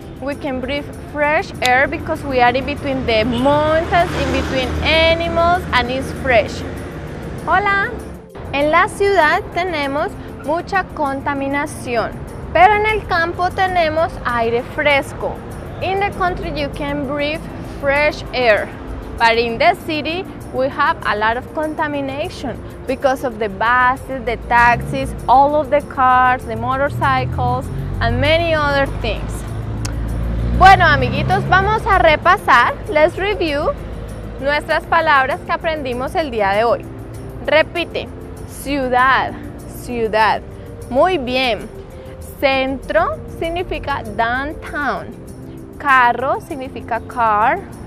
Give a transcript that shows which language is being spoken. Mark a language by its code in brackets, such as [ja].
[en] We can breathe fresh air because we are in between the mountains, in between animals, and it's fresh. [es] Hola. En la ciudad tenemos mucha contaminación, pero en el campo tenemos aire fresco. [en] In the country you can breathe fresh air, but in the city we have a lot of contamination because of the buses, the taxis, all of the cars, the motorcycles, and many other things. [es] Bueno, amiguitos, vamos a repasar, [en] let's review [es] nuestras palabras que aprendimos el día de hoy. Repite. Ciudad, ciudad. Muy bien. Centro significa downtown. Carro significa car.